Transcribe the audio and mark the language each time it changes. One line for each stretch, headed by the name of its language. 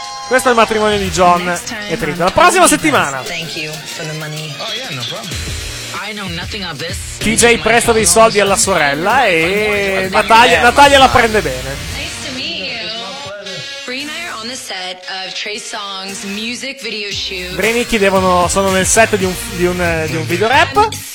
Italian: Questo è il matrimonio di John e Trinity. La prossima settimana.
English: Thank you for the money. Oh yeah, no problem. I know nothing of this.
Italian: TJ presta dei soldi alla sorella e Natalia la prende bene.
English: Nice to meet you. Bree and I are on the set of Trey Songz music video shoot.
Italian: Bree e Nicky sono nel set di un video rap.